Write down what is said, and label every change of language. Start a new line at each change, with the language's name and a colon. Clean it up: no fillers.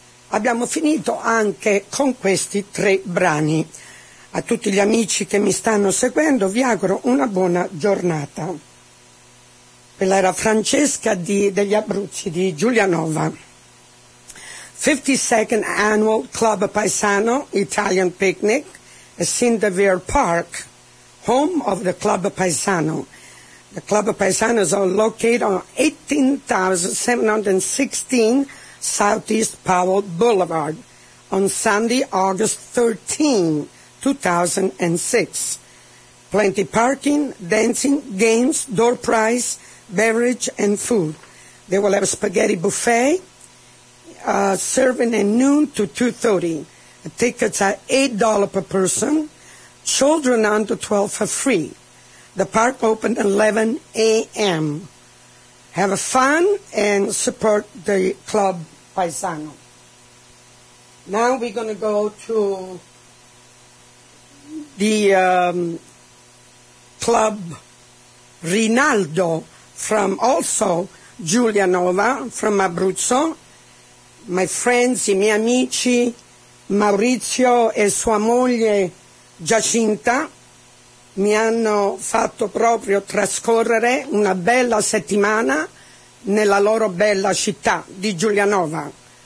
Italian: abbiamo finito anche con questi tre brani. A tutti gli amici che mi stanno seguendo vi auguro una buona giornata. Quella era Francesca degli Abruzzi di Giulianova.
English: 52nd Annual Club Paisano Italian Picnic at Cindevere Park, home of the Club Paisano. The Club Paisano is located on 18,716 Southeast Powell Boulevard on Sunday, August 13, 2006. Plenty parking, dancing, games, door prize, beverage and food. They will have a spaghetti buffet serving at noon to 2:30. The tickets are $8 per person. Children under 12 are free. The park opened at 11 a.m. Have fun and support the Club Paisano. Now we're going to go to the Club Rinaldo from also Giulianova from Abruzzo. My friends,
Italian: I miei amici, Maurizio e sua moglie Giacinta mi hanno fatto proprio trascorrere una bella settimana nella loro bella città di Giulianova.